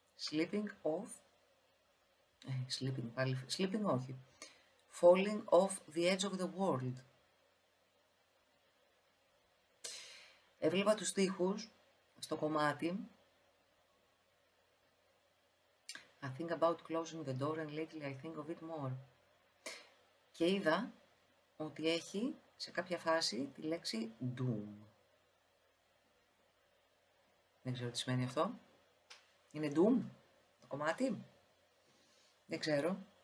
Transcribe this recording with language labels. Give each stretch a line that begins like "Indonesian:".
English: Sleeping off... Sleeping,
Greek: πάλι...
English: Sleeping
Greek: όχι.
English: Falling off the edge of the world.
Greek: Έβλεπα τους στίχους στο κομμάτι.
English: I think about closing the door and lately I think of it more.
Greek: Και είδα ότι έχει σε κάποια φάση τη λέξη doom. Δεν ξέρω τι σημαίνει αυτό. Είναι doom το κομμάτι. Δεν ξέρω.